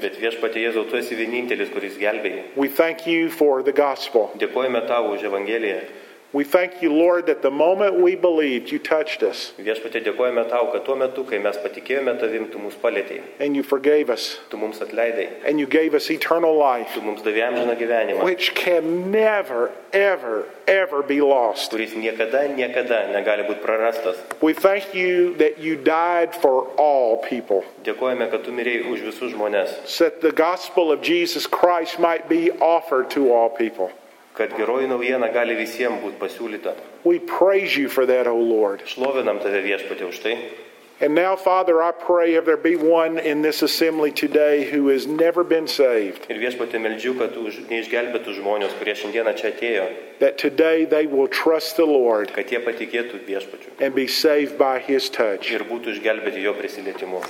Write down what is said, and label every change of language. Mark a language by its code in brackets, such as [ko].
[lt] Bet Viešpatie Jėzau, tu esi vienintelis, kuris gelbėja. [en] We thank you for the gospel. [lt] Dėkojame tau už Evangeliją. [en] We thank you, Lord, that the moment we believed, you touched us. [lt] Viešpatie, dėkojame tau, kad tuo metu, kai mes patikėjome tavim, tu mus palietei. [en] And you forgave us. [lt] Tu mums atleidai. [en] And you gave us eternal life. [lt] Tu mums davė amžiną gyvenimą. [en] Which can never, ever, ever be lost. [lt] Kuris niekada, niekada negali būti prarastas. [en] We thank you that you died for all people. [lt] Dėkojame, kad tu mirėjai už visus žmones. [en] So that the gospel of Jesus Christ might be offered to all people. [lt] Kad geroji naujiena gali visiems būti pasiūlyta. [en] We praise you for that, O Lord. [lt] Šlovinam tave, Viešpatie, už tai. [en] And now, Father, I pray if there be one in this assembly today who has never been saved. [lt] Ir Viešpatie, meldžiu, kad už neišgelbėtų žmonės, kurie šiandieną čia atėjo. [en] That today they will trust the Lord. [lt] Kad jie patikėtų Viešpačiu. [en] And be saved by his touch. [lt] Ir būtų išgelbėti jo prisilietimu.